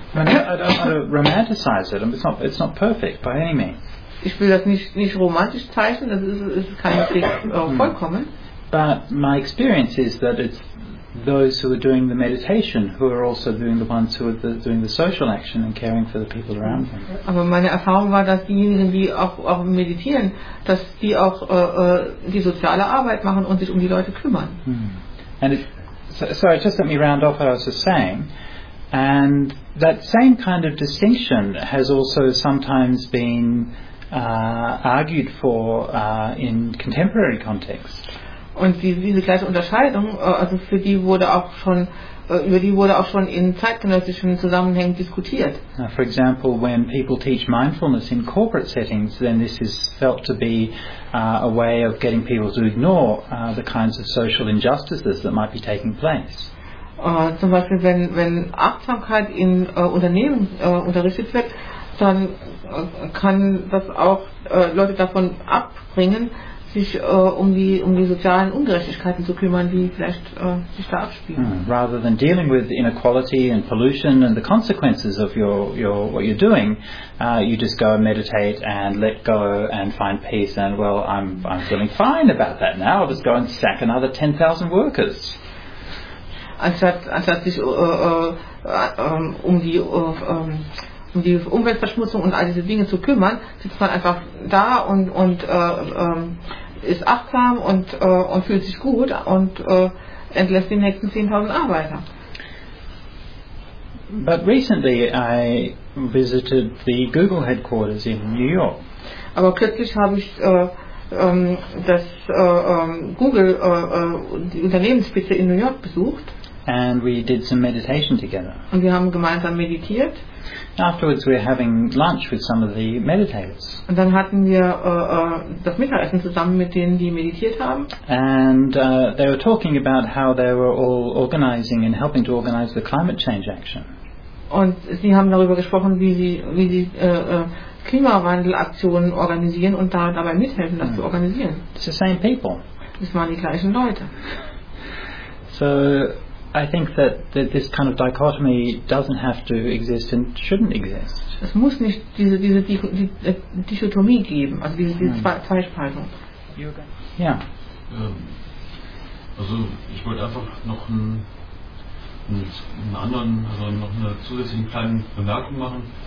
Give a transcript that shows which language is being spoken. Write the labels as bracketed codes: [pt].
[en] I don't romanticize it. It's not perfect by any means. [de] Ich will das nicht romantisch zeichnen. Das ist keineswegs vollkommen. [en] But my experience is that it's those who are doing the meditation who are also doing the ones who are doing the social action and caring for the people around them. [de] Aber meine Erfahrung war, dass diejenigen, die auch meditieren, dass die auch die soziale Arbeit machen und sich um die Leute kümmern. [en] And sorry, just let me round off what I was just saying. And that same kind of distinction has also sometimes been argued for in contemporary context. [de] Und diese gleiche Unterscheidung, also für die wurde auch schon über die wurde auch schon in zeitgenössischen Zusammenhängen diskutiert. [en] For example, when people teach mindfulness in corporate settings, then this is felt to be a way of getting people to ignore the kinds of social injustices that might be taking place. [de] Zum Beispiel, wenn Achtsamkeit in Unternehmen unterrichtet wird, dann kann das auch Leute davon abbringen, sich um die sozialen Ungerechtigkeiten zu kümmern, die vielleicht sich da abspielen. [en] Rather than dealing with inequality and pollution and the consequences of your what you're doing, you just go and meditate and let go and find peace and well, I'm feeling fine about that now. I'll just go and sack another 10,000 workers. [de] Anstatt sich um die Umweltverschmutzung und all diese Dinge zu kümmern, sitzt man einfach da und ist achtsam und fühlt sich gut und entlässt die nächsten 10,000 Arbeiter. [en] But recently I visited the Google headquarters in New York. [de] Aber kürzlich habe ich die Unternehmensspitze in New York besucht. [en] And we did some meditation together. [de] Und wir haben gemeinsam meditiert. [en] Afterwards we were having lunch with some of the meditators. [de] Und dann hatten wir das Mittagessen zusammen mit denen, die meditiert haben. [en] And they were talking about how they were all organizing and helping to organize the climate change action. [de] Und sie haben darüber gesprochen, wie sie Klimawandelaktionen organisieren und da dabei mithelfen, das zu organisieren. [en] It's the same people. [de] Das waren die gleichen Leute. [en] So I think that this kind of dichotomy doesn't have to exist and shouldn't exist. [de] Es muss nicht diese Dichotomie geben, also diese Zweispaltung. Ja. Also ich wollte einfach noch eine zusätzliche kleine Bemerkung machen.